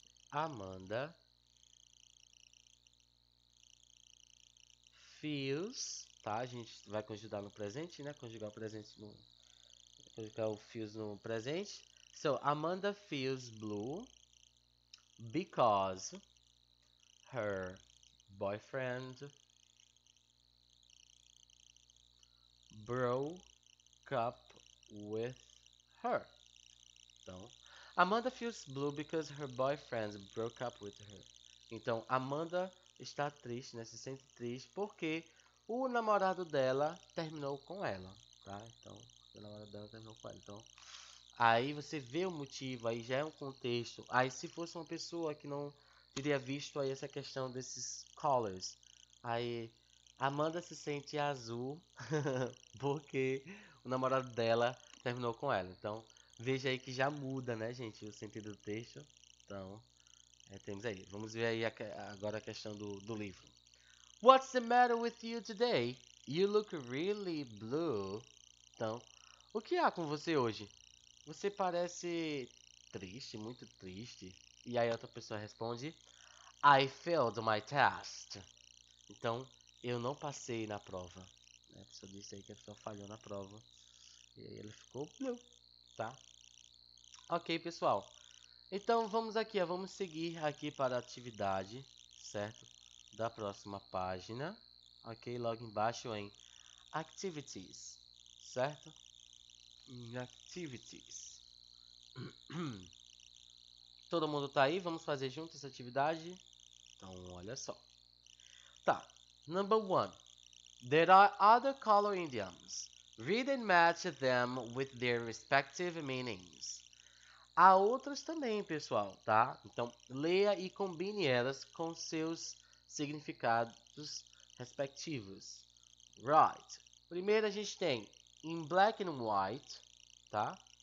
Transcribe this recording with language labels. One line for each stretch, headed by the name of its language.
English: Amanda feels, tá?
Portuguese: A gente vai conjugar no presente, né? Conjugar o presente no. Conjugar o feels no presente.
English: So, Amanda feels blue because her boyfriend broke up with her. Então, Amanda feels blue because her boyfriend broke up with her.
Portuguese: Então, Amanda está triste, né? Se sente triste porque o namorado dela terminou com ela, tá? Então, o namorado dela terminou com ela. Então, aí você vê o motivo, aí já é um contexto. Aí, se fosse uma pessoa que não teria visto aí essa questão desses colors, aí Amanda se sente azul porque o namorado dela terminou com ela. Então, Veja aí que já muda, né, gente, o sentido do texto. Então, temos aí. Vamos ver aí agora a questão do livro.
English: What's the matter with you today? You look really blue.
Portuguese: Então, o que há com você hoje? Você parece triste, muito triste. E aí outra pessoa responde:
English: I failed my test.
Portuguese: Então, eu não passei na prova. A pessoa disse aí que a pessoa falhou na prova. E aí ele ficou blue, tá? Ok, pessoal. Então vamos aqui, vamos seguir aqui para a atividade, certo? Da próxima página. Ok, logo embaixo em Activities, certo? Em Activities. Todo mundo tá aí? Vamos fazer junto essa atividade? Então, olha só. Tá.
English: Number one. There are other color idioms. Read and match them with their respective meanings.
Portuguese: Há outras também, pessoal, tá? Então, leia e combine elas com seus significados respectivos. Right. Primeiro a gente tem in black and white, tá?